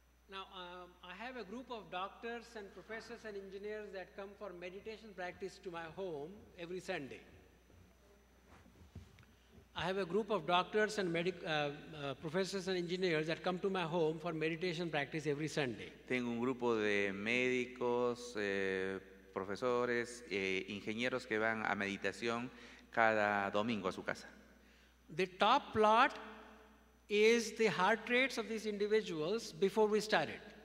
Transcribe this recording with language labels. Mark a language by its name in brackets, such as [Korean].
[English] Now, I have a group of doctors and professors and engineers that come for meditation practice to my home every Sunday. I have a group of doctors and professors and engineers that come to my home for meditation practice every Sunday. [Spanish] Tengo un grupo de médicos, profesores, ingenieros que van a meditación cada domingo a su casa. [English] The top plot is the heart rates of these individuals before we started.